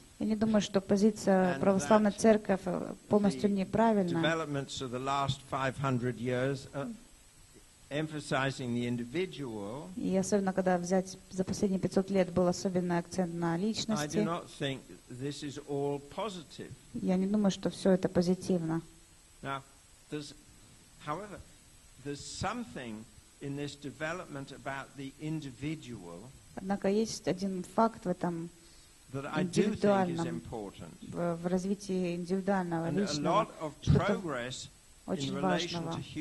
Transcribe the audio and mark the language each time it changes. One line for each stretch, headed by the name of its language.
Russian: Я не думаю, что позиция православной церкви полностью неправильна.
English: Developments of the last 500 years emphasizing the individual.
Russian: И особенно когда взять за последние 500 лет был особенный акцент на личности.
English: I do not think this is all positive.
Russian: Я не думаю, что все это позитивно.
English: Now, however, there's something in this development about the individual.
Russian: Однако есть один факт в этом индивидуальном, в развитии индивидуального личного, что-то очень важного.